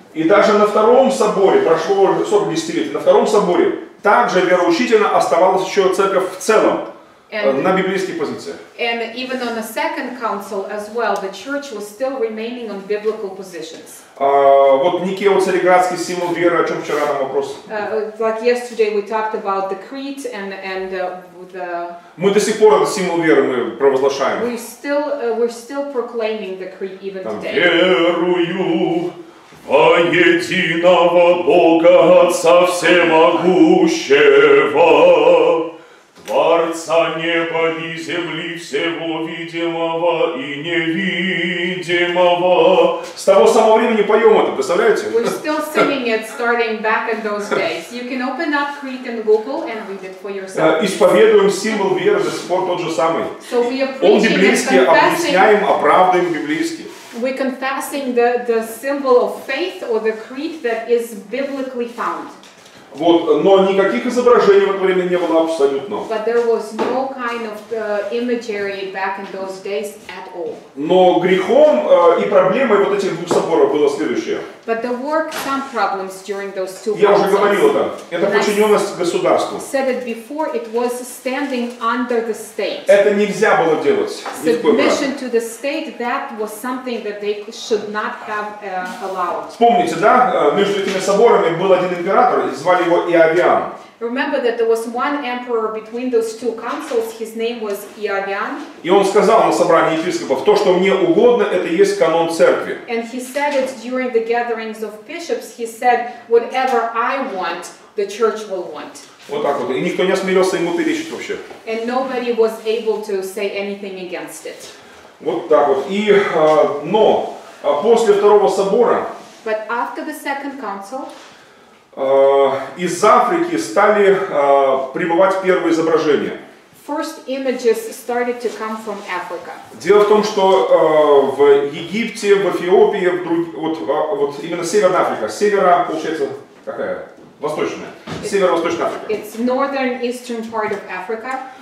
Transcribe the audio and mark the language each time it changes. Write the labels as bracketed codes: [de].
[ru] И даже на втором соборе прошло 40 лет. На втором соборе также вероучительно оставалась еще церковь в целом. На библейских позициях. [en] And even on the second council as well, the church was still remaining on biblical positions. [ru] Вот Никео Цареградский символ веры, о чем вчера там вопрос. [en] Like yesterday we talked about the creed and the. [ru] Мы до сих пор этот символ веры мы провозглашаем. [en] We're still proclaiming the creed even [ru] там, [en] today. [ru] Верую во единого Бога Отца всемогущего. Творца неба и земли, всего видимого и невидимого. С того самого времени поем это, представляете? [en] We're still singing it starting back in those days. You can open up Creed and Google and read it for yourself. [ru] Исповедуем символ веры до сих пор тот же самый. [en] So we are preaching, [ru] он библейский, объясняем, оправдываем библейский. [en] We're confessing the symbol of faith or the creed that is biblically found. [ru] Вот, но никаких изображений в это время не было абсолютно. [en] But there was no kind of imagery back in those days at all. [ru] Но грехом и проблемой вот этих двух соборов было следующее. [en] But there were some problems during those two. [ru] Я уже говорил это. Это подчиненность государству. [en] Said it before, it was standing under the state. [ru] Это нельзя было делать. [en] Submission to the state, that was something that they should not have allowed. [ru] Помните, да, между этими соборами был один император, звали его Иовиан. [en] Remember that there was one emperor between those two councils, his name was Иовиан. [ru] И он сказал на собрании епископов, то, что мне угодно, это есть канон церкви. [en] And he said it during the gatherings of bishops, he said, whatever I want, the church will want. [ru] Вот так вот, и никто не осмелился ему перечить вообще. [en] And nobody was able to say anything against it. [ru] Вот так вот, и, но, после второго собора, [en] but after the second council, [ru] из Африки стали прибывать первые изображения. [en] First images started to come from Africa. [ru] Дело в том, что в Египте, в Эфиопии, вот именно Северная Африка, севера, получается, какая? Восточная. Северо-восточная Африка. [en] It's northern eastern part of Africa.